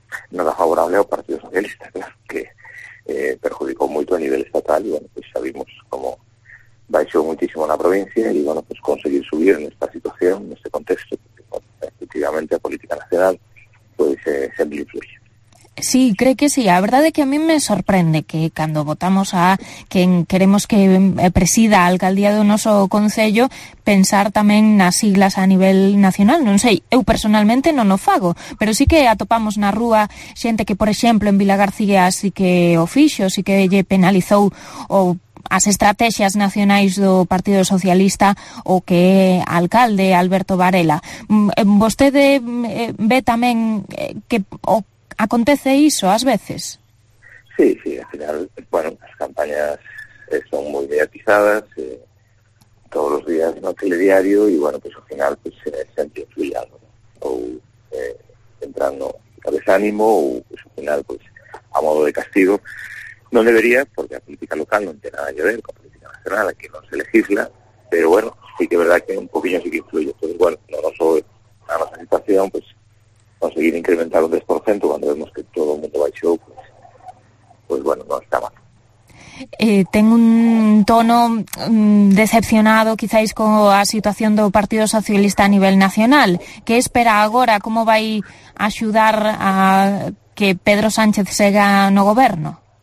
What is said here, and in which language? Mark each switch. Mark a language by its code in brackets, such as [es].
[gl] Nada favorable ao Partido Socialista, claro, que perjudicou moito a nivel estatal y bueno, pues sabemos como baixou muitísimo na provincia y bueno, pues conseguir subir en esta situación, en este contexto, efectivamente a política nacional, pues sempre influye. [es] Sí, cree que sí. [gl] A verdade é que a mí me sorprende que cando votamos a quen queremos que presida a alcaldía do noso concello, pensar tamén nas siglas a nivel nacional. Non sei, eu personalmente non o fago, pero sí que atopamos na rúa xente que, por exemplo, en Vila García sí que o fixo, sí que lle penalizou o as estrategias nacionais do Partido Socialista o que é alcalde Alberto Varela. Vostede ve tamén que acontece iso ás veces? Sí, sí, [es] al final, [gl] bueno, as campañas son moi mediatizadas todos os días no telediario e, bueno, pues ao final pues, sempre influía algo, ¿no? Ou entrando a desánimo ou, pues, ao final, pues, a modo de castigo. [es] No debería, porque la política local no tiene nada que ver con la política nacional, aquí no se legisla, pero bueno, sí que es verdad que un poquillo sí que influye. Entonces, bueno, no solo en nuestra situación, pues conseguir incrementar un 10% cuando vemos que todo el mundo va a ir show, pues bueno, no está mal. [gl] Ten un tono decepcionado, quizáis, con a situación do Partido Socialista a nivel nacional. ¿Qué espera agora? ¿Cómo vai axudar a que Pedro Sánchez siga no goberno?